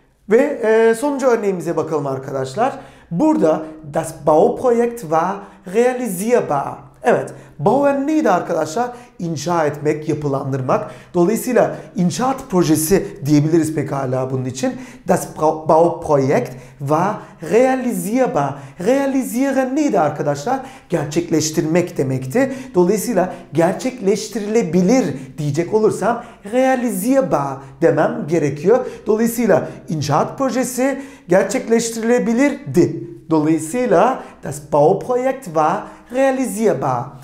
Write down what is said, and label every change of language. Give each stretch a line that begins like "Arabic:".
Turkish: Ve sonuncu örneğimize bakalım arkadaşlar. Burada
German: das Bauprojekt war realisierbar.
Turkish: Evet, bauen neydi arkadaşlar? İnşa etmek, yapılandırmak. Dolayısıyla inşaat projesi diyebiliriz pekala bunun için.
German: Das Bauprojekt war realisierbar.
Turkish: Realisieren neydi arkadaşlar? Gerçekleştirmek demekti. Dolayısıyla gerçekleştirilebilir diyecek olursam realisierbar demem gerekiyor. Dolayısıyla inşaat projesi gerçekleştirilebilirdi.
German: Dolayısıyla das Bauprojekt war realisierbar.